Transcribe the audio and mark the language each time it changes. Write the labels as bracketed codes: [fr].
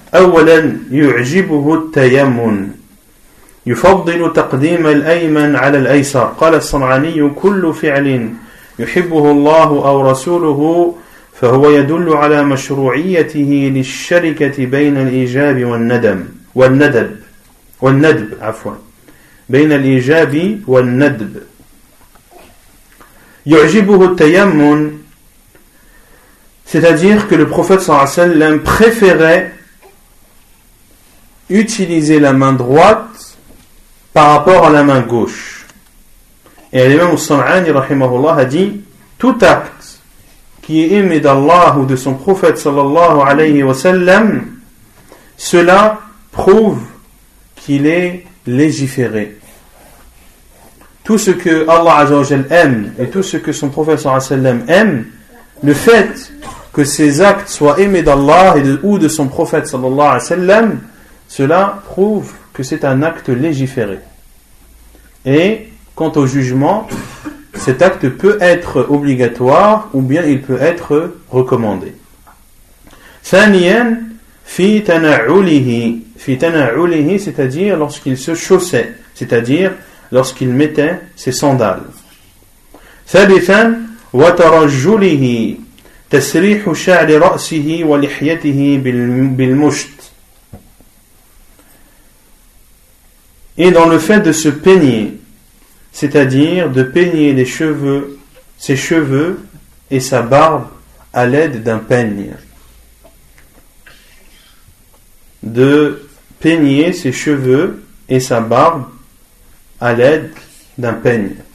[ar] أولا يعجبه التيمم يفضل تقديم الأيمن على الأيسر قال الصنعاني كل فعل يحبه الله أو رسوله فهو يدل على مشروعيته للشركة بين الإيجاب والندم والندب والندب عفوا بين الإيجاب والندب يعجبه التيمم. [fr] C'est-à-dire que le prophète sallallahu alayhi wa sallam préférait utiliser la main droite par rapport à la main gauche. Et l'imam Al-Sam'ani, rahimahullah, a dit, tout acte qui est aimé d'Allah ou de son prophète, sallallahu alayhi wa sallam, cela prouve qu'il est légiféré. Tout ce que Allah Azza wa Jalla aime et tout ce que son prophète sallallahu alayhi wa sallam aime, le fait que ces actes soient aimés d'Allah et de, ou de son prophète sallallahu alayhi wa sallam, cela prouve que c'est un acte légiféré. Et quant au jugement, cet acte peut être obligatoire ou bien il peut être recommandé. [ar] Thaniyan fi tana'ulihi. Fi tana'ulihi, [fr] c'est-à-dire lorsqu'il se chaussait, c'est-à-dire lorsqu'il mettait ses sandales. [ar] Thalithan wa tarajjulihi. تسريح شعر رأسه ولحيته بالمشت. [fr] Et dans le fait de se peigner, c'est-à-dire de peigner les cheveux, ses cheveux et sa barbe à l'aide d'un peigne. De peigner ses cheveux et sa barbe à l'aide d'un peigne.